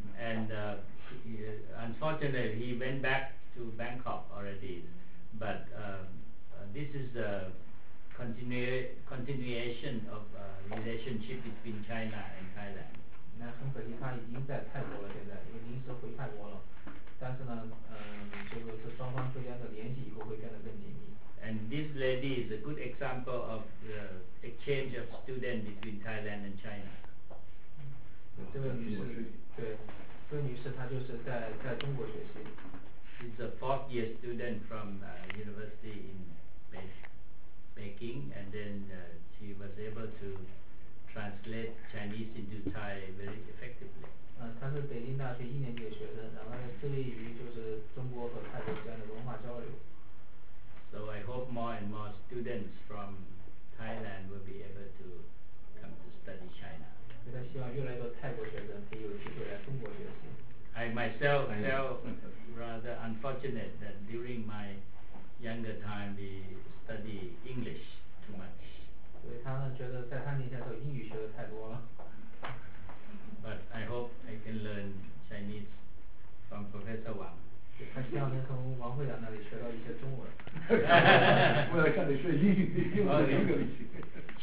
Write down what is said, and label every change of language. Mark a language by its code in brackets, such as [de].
[en] And unfortunately, he went back to Bangkok already, but this is a continuation of relationship between China and Thailand. [zh] 那很可惜他已经在泰国了，现在因为临时回泰国了，但是呢，就是这双方之间的联系以后会变得更紧密。 [en] And this lady is a good example of the exchange of student between Thailand and China. [zh] 这位女士，对，这位女士她就是在中国学习。 [en] She's a fourth year student from university in Beijing, and then she was able to translate Chinese into Thai very effectively. [zh] 她是北京大学一年级的学生，然后致力于就是中国和泰国之间的文化交流。 [en] So I hope more and more students from Thailand will be able to come to study China. [zh] 所以她希望越来越多泰国学生可以有机会来中国学习。 [en] I myself felt rather unfortunate that during my younger time we study English too much. [zh] 所以她呢觉得在她年轻时候英语学的太多了。 [en] But I hope I can learn Chinese from Professor Wang. [zh] 他希望能从王会长那里学到一些中文。我要向你学英语，英语英语里去。